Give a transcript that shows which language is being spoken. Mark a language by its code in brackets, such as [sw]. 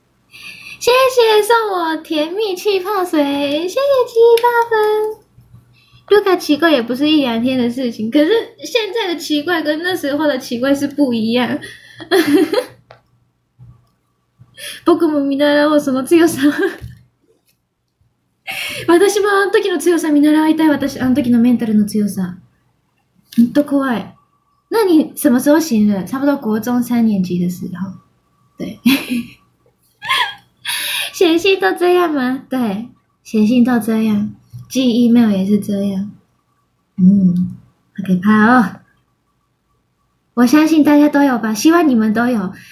[zh] 谢谢送我甜蜜气泡水，谢谢七八分。卢卡奇怪也不是一两天的事情，可是现在的奇怪跟那时候的奇怪是不一样。 [ja] 僕も見習おうその強さ。私もあの時の強さ見習いたい。私あの時のメンタルの強さ。ほんと怖い。 [zh] 那你什么时候醒的？差不多国中三年级的时候。对。写信都这样吗？对，写信都这样，寄 email 也是这样。嗯，好可怕哦。我相信大家都有吧，希望你们都有。